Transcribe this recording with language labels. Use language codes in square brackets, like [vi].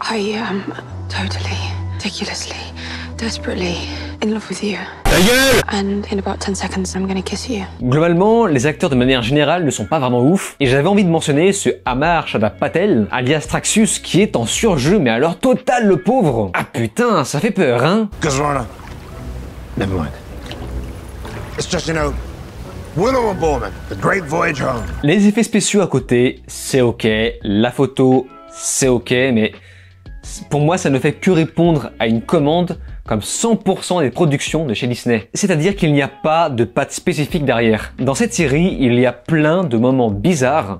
[en] I am totally, ridiculously, desperately in love with you. [fr] La gueule ! [en] And in about 10 seconds, I'm gonna kiss you. [fr] Globalement, les acteurs de manière générale ne sont pas vraiment ouf, et j'avais envie de mentionner ce Amar Shadda Patel, alias Traxxus, qui est en surjeu, mais alors total le pauvre. Ah putain, ça fait peur, hein ? [en] Cause Rana, never mind. It's just, you know, Willow and Borman, the great voyage home. [fr] Les effets spéciaux à côté, c'est ok, la photo, c'est ok, mais pour moi, ça ne fait que répondre à une commande comme 100% des productions de chez Disney. C'est-à-dire qu'il n'y a pas de patte spécifique derrière. Dans cette série, il y a plein de moments bizarres.